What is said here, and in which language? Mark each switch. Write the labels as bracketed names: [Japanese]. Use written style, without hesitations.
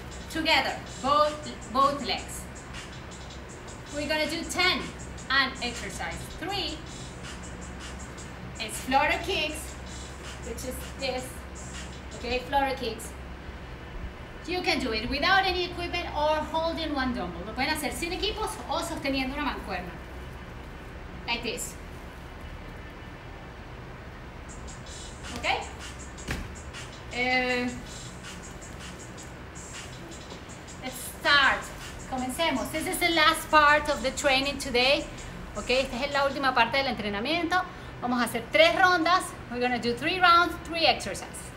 [English] Together, both legs. We're gonna do 10 and exercise three. It's floater kicks, which is this, okay, floater kicks. You can do it without any equipment or holding one dumbbell. [Spanish] Lo pueden hacer sin equipos o sosteniendo una mancuerna. [English] Like this. Okay? Start. [Spanish] Comencemos. [English] This is the last part of the training today. [Spanish] Okay, esta es la última parte del entrenamiento. Vamos a hacer tres rondas. [English] We're going to do three rounds, three exercises.